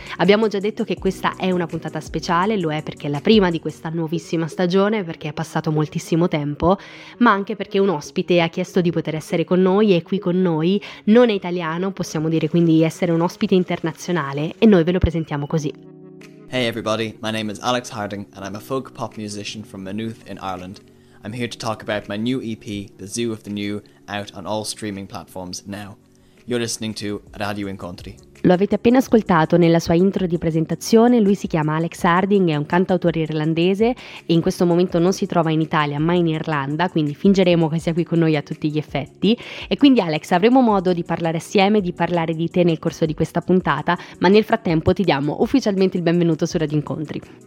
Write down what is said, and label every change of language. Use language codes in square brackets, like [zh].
[it] Abbiamo già detto che questa è una puntata speciale, lo è perché è la prima di questa nuovissima stagione, perché è passato moltissimo tempo, ma anche perché un ospite ha chiesto di poter essere con noi e qui con noi, non è italiano, possiamo dire quindi essere un ospite internazionale, e noi ve lo presentiamo così. [en] Hey everybody, my name is Alex Harding and I'm a folk pop musician from Maynooth in Ireland. I'm here to talk about my new EP, The Zoo of the New, out on all streaming platforms now. You're listening to Radio Incontri. [it] Lo avete appena ascoltato nella sua intro di presentazione, lui si chiama Alex Harding, è un cantautore irlandese e in questo momento non si trova in Italia ma in Irlanda, quindi fingeremo che sia qui con noi a tutti gli effetti. E quindi Alex, avremo modo di parlare assieme, di parlare di te nel corso di questa puntata, ma nel frattempo ti diamo ufficialmente il benvenuto su Radio Incontri.